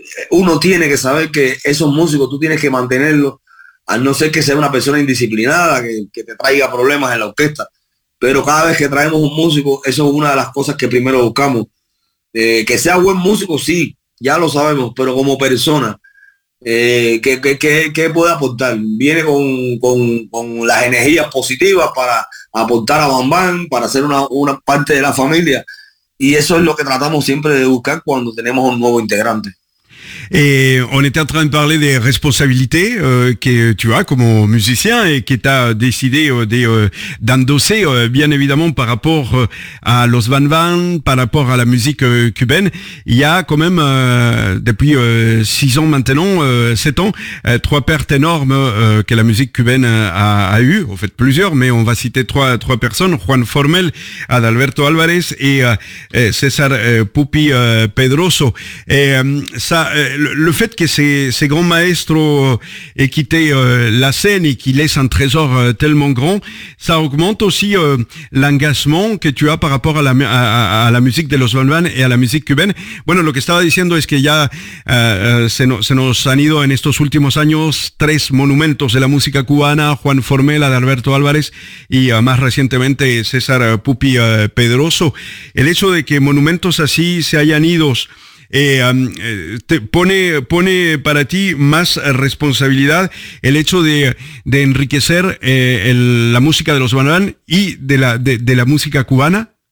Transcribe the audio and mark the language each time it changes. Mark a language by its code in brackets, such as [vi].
[es] uno tiene que saber que esos músicos tú tienes que mantenerlos, a no ser que sea una persona indisciplinada que te traiga problemas en la orquesta, pero cada vez que traemos un músico, eso es una de las cosas que primero buscamos, que sea buen músico, sí, ya lo sabemos, pero como persona que puede aportar, viene con las energías positivas para aportar a bambán, para ser una parte de la familia, y eso es lo que tratamos siempre de buscar cuando tenemos un nuevo integrante. [fr] Et on était en train de parler des responsabilités que tu as comme musicien et que tu as décidé d'endosser, bien évidemment, par rapport à Los Van Van, par rapport à la musique cubaine. Il y a quand même, depuis 6 ans maintenant, 7 ans, 3 pertes énormes que la musique cubaine a eues, en fait plusieurs, mais on va citer trois personnes, Juan Formel, Adalberto Álvarez et César Pupi Pedroso. Le fait que ces grands maestros aient quitté la scène et qu'ils laissent un trésor tellement grand, ça augmente aussi l'engagement que tu as par rapport à la musique de Los Van Van et à la musique cubaine. [es] Bueno, lo que estaba diciendo es que ya se nos han ido en estos últimos años 3 monumentos de la música cubana, Juan Formel, Adalberto Álvarez y más recientemente César Pupi Pedroso. El hecho de que monumentos así se hayan ido te pone para ti más responsabilidad el hecho de enriquecer la música de Los Van Van y de la música cubana.